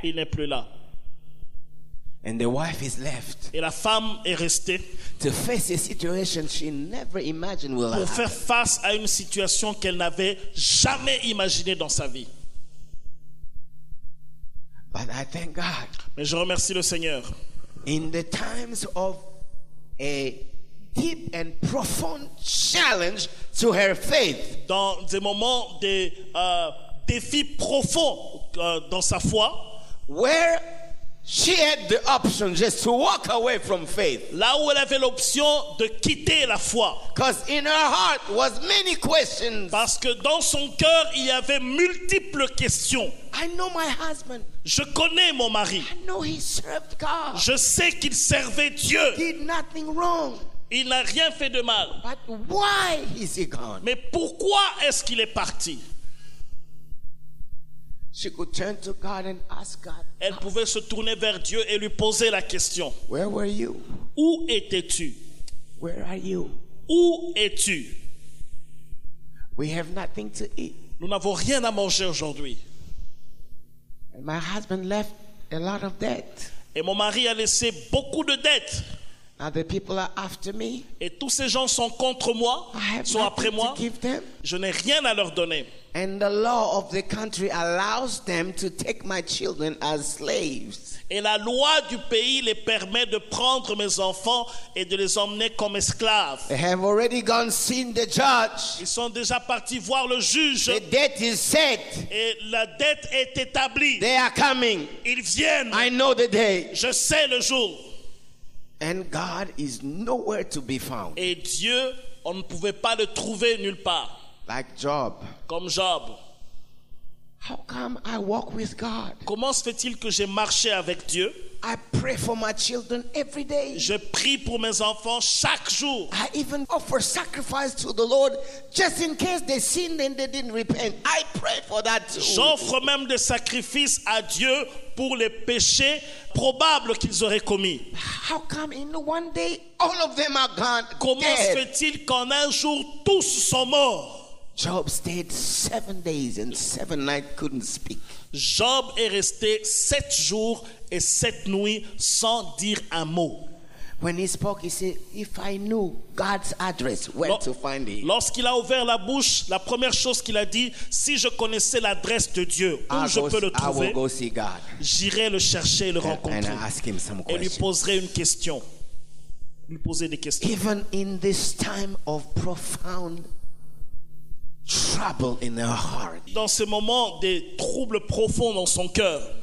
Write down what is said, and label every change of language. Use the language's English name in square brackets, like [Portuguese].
[French] Il n'est plus là. [English] And the wife is left. [French] Et la femme est restée. [English] To face a situation she never imagined will happen. [French] Pour faire face à une situation qu'elle n'avait jamais imaginée dans sa vie. [English] But I thank God. [French] Mais je remercie le Seigneur. [English] In the times of a deep and profound challenge to her faith. [French] Dans des moments de défis profonds dans sa foi. [English] Where she had the option just to walk away from faith. [French] Là où elle avait l'option de quitter la foi. [English] Because in her heart was many questions. [French] Parce que dans son cœur il y avait multiples questions. [English] I know my husband. [French] Je connais mon mari. [English] I know he served God. [French] Je sais qu'il servait Dieu. [English] He did nothing wrong. [French] Il n'a rien fait de mal. [English] But why is he gone? [French] Mais pourquoi est-ce qu'il est parti? [English] She could turn to God and ask God. [French] Elle pouvait se tourner vers Dieu et lui poser la question. [English] Where were you? [French] Où étais-tu? [English] Where are you? [French] Où es-tu? [English] We have nothing to eat. [French] Nous n'avons rien à manger aujourd'hui. [English] And my husband left a lot of debt. [French] Et mon mari a laissé beaucoup de dettes. [English] Now the people are after me. [French] Et tous ces gens sont contre moi, sont après moi. Je n'ai rien à leur donner. [English] And the law of the country allows them to take my children as slaves. [French] Et la loi du pays les permet de prendre mes enfants et de les emmener comme esclaves. [English] They have already gone seen the judge. [French] Ils sont déjà partis voir le juge. [English] The debt is set. [French] Et la dette est établie. [English] They are coming. [French] Ils viennent. [English] I know the day. [French] Je sais le jour. [English] And God is nowhere to be found. [French] Et Dieu, on ne pouvait pas le trouver nulle part. [English] Like Job. [French] Comme Job. [English] How come I walk with God? [French] Comment se fait-il que j'ai marché avec Dieu? [English] I pray for my children every day. [French] Je prie pour mes enfants chaque jour. [English] I even offer sacrifice to the Lord just in case they sinned and they didn't repent. I pray for that too. [French] J'offre même des sacrifices à Dieu pour les péchés probables qu'ils auraient commis. [English] How come in one day all of them are gone? [French] Comment se fait-il qu'en un jour tous sont morts? [English] Job stayed 7 days and 7 nights couldn't speak. [French] Job est resté 7 jours et 7 nuits sans dire un mot. [English] When he spoke, he said, "If I knew God's address, where to find him?" [French] Lorsqu'il a ouvert la bouche, la première chose qu'il a dit, si je connaissais l'adresse de Dieu, où [English] I'll [French] je [English] go, [French] peux le trouver, [English] I will go see God. [French] J'irai le chercher et le rencontrer. [English] And ask him some questions. [French] Et lui poserai une question. Lui poser des questions. [English] Even in this time of profound trouble in her heart. [French] Dans ce moment des troubles profonds dans son cœur.